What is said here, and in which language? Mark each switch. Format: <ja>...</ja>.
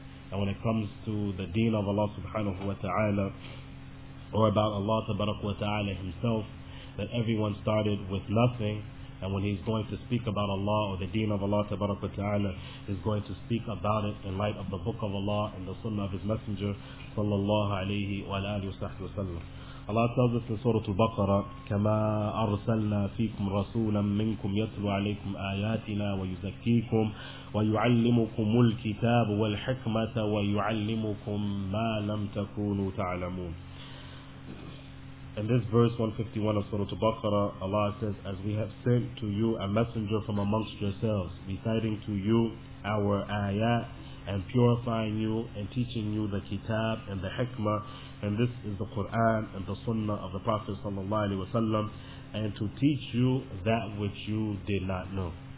<en>And when it comes to the deen of Allah Subhanahu wa Ta'ala, or about Allah Tabaraka wa Ta'ala Himself, that everyone started with nothing, and when he's going to speak about Allah or the deen of Allah Tabaraka wa Ta'ala, is going to speak about it in light of the book of Allah and the sunnah of His Messenger sallallahu alayhi wa alihi wa sallam. Allah tells us in Surah Al-Baqarah,</en> <ar>كَمَا أَرْسَلْنَا فِيكُمْ رَسُولًا مِّنْكُمْ يَتْلُوا عَلَيْكُمْ آيَاتِنَا وَيُزَكِّيكُمْ وَيُعَلِّمُكُمُ الْكِتَابُ وَالْحِكْمَةَ وَيُعَلِّمُكُمْ مَا لَمْ تَكُونُوا تَعْلَمُونَ.</ar> <en>In this verse 151 of Surah Al-Baqarah, Allah says, as we have sent to you a messenger from amongst yourselves, reciting to you our ayat, and purifying you, and teaching you the kitab and the hikmah, and this is the Quran and the sunnah of the Prophet sallallahu alaihi wasallam, and to teach you that which you did not know.</en>